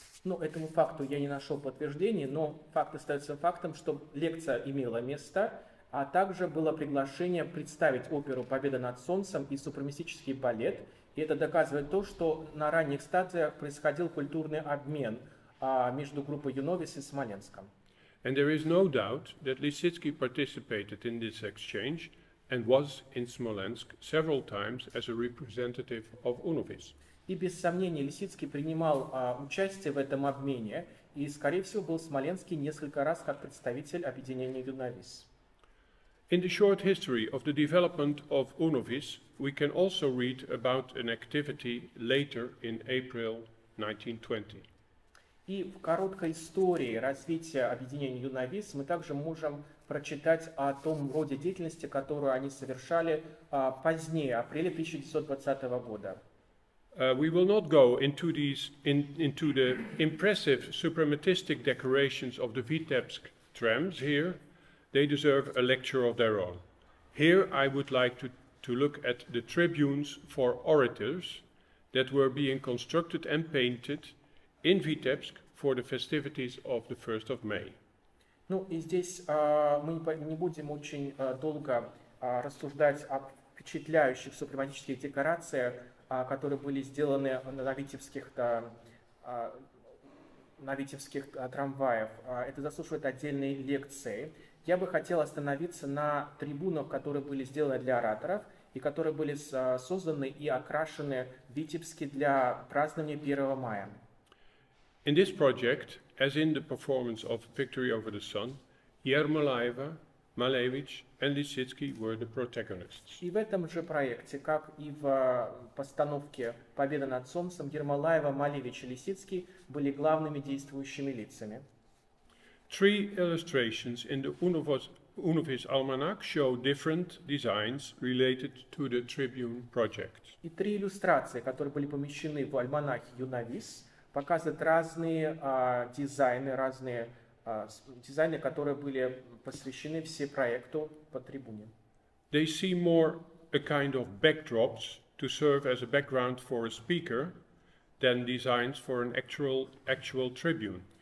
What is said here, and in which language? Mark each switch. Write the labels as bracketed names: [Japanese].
[Russian] Ну, этому факту я не нашел подтверждения, но факт остается фактом, что лекция имела место. А также было приглашение представить оперу «Победа над солнцем» и супрематический балет. И это доказывает то, что на ранних стадиях происходил культурный обмен между группой UNOVIS и Смоленском. [English] And there is no doubt that Lisicki participated in this exchange and was in Smolensk several times as a representative of UNOVIS. [Russian] И без сомнения Лисицкий принимал участие в этом обмене и, скорее всего, был в Смоленске несколько раз как представитель объединения UNOVIS. [English] In the short history of the development of UNOVIS, we can also read about an activity later in April 1920. [Russian] И в короткой истории развития объединения UNOVIS мы также можем прочитать о том роде деятельности, которую они совершали позднее, апреле 1920 года. [English] We will not go into these into the impressive suprematistic decorations of the Vitebsk trams here. They deserve a lecture of their own. Here I would like to look at the tribunes for orators that were being constructed and painted in Vitebsk for the festivities of the 1st of May. [Russian] Ну и здесь мы не будем очень долго рассуждать о впечатляющих супрематических декорациях, которые были сделаны на витебских трамваях. Это заслуживает отдельной лекции. Я бы хотел остановиться на трибунах, которые были сделаны для ораторов и которые были созданы и окрашены в Витебске для празднования 1 мая. [English] In this project, as in the performance of Victory Over the Sun, Ермолаева, Малевич and Лисицкий were the protagonists. [Russian] И в этом же проекте, как и в постановке «Победа над солнцем», Ермолаева, Малевич и Лисицкий были главными действующими лицами. [English] Three illustrations in the UNOVIS almanac show different designs related to the tribune project. [Russian] И три иллюстрации, которые были помещены в альманахе UNOVIS, показывают разные дизайны, которые были посвящены все проекту по трибуне. [English] They seem more a kind of backdrops to serve as a background for a speaker than designs for an actual tribune.